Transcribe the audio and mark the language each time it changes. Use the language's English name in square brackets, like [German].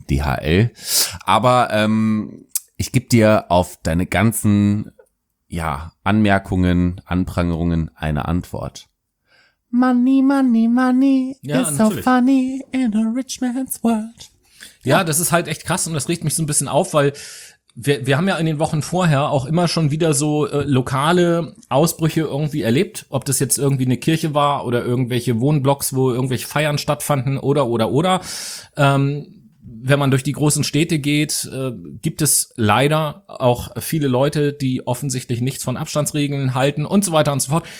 [German] DHL, aber ich gebe dir auf deine ganzen Anmerkungen, Anprangerungen eine Antwort. Money, ja, is natürlich. [English] So funny in a rich man's world. [German] Ja, das ist halt echt krass und das regt mich so ein bisschen auf, weil wir haben ja in den Wochen vorher auch immer schon wieder so lokale Ausbrüche irgendwie erlebt, ob das jetzt irgendwie eine Kirche war oder irgendwelche Wohnblocks, wo irgendwelche Feiern stattfanden oder. Wenn man durch die großen Städte geht, gibt es leider auch viele Leute, die offensichtlich nichts von Abstandsregeln halten und so weiter und so fort.